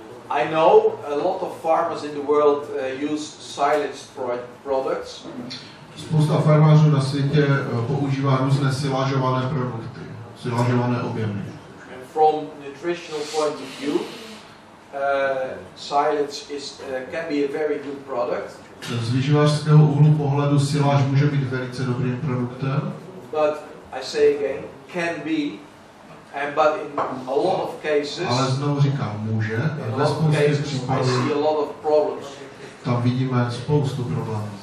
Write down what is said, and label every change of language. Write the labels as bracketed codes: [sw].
[en] I know a lot of farmers in the world use silage products. [cs] Spousta farmářů na světě používá různé silažované produkty, silažované objemy. [en] And from nutritional point of view, silage is can be a very good product. [cs] Z vyživářského úhlu pohledu siláž může být velice dobrým produktem. [en] But I say again, can be, but in a lot of cases. [cs] Ale znovu říkám, může. [en] In a lot of cases, [cs] případů, [en] I see a lot of problems. [cs] Tam vidíme spoustu problémů.